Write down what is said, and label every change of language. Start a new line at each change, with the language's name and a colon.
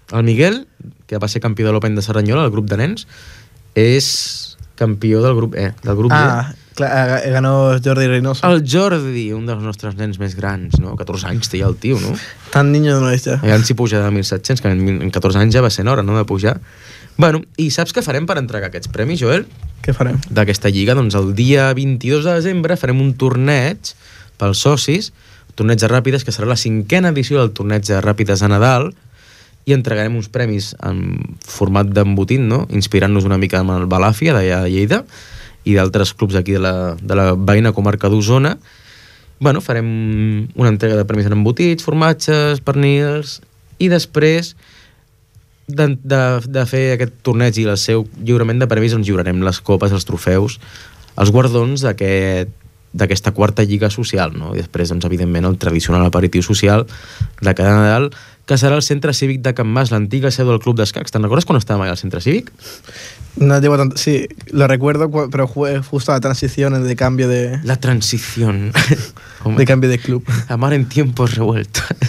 Catalan: El Miguel, que va ser campió de l'Open de Cerdanyola, el grup de nens, és campió del grup E, del grup D. Ah, clar,
Spanish: ganó
Catalan: Jordi Reynoso. El Jordi, un dels nostres nens més grans, no? 14 anys té ja el tio, no? Tan
Spanish: niño
Catalan: no és, ja. I ara s'hi puja de 1700, que en 14 anys ja va ser hora, no?, de pujar. Bueno, i saps què farem per entregar aquests premis, Joel? Què farem? D'aquesta lliga, doncs el dia 22 de desembre farem un torneig pels socis, torneig de ràpides, que serà la cinquena edició del torneig de ràpides de Nadal, i entregarem uns premis en format d'embotit, no?, inspirant-nos una mica amb el Balàfia d'allà de Lleida i d'altres clubs aquí de la veïna comarca d'Osona. Bueno, farem una entrega de premis en embotits, formatges, pernils, i després de fer aquest torneig i el seu lliurament de premis, ens lliurarem les copes, els trofeus, els guardons d'aquesta quarta lliga social, no? I després, doncs, evidentment, el tradicional aperitiu social de cada Nadal, que serà el centre cívic de Can Mas, l'antiga seu del Club d'Escacs. Te'n recordes quan estàvem allà al centre cívic?
Spanish: No llevo tanto, sí, lo recuerdo, pero fue justo la transición de cambio de... La transición. De cambio de club. Amar en tiempos revuelto.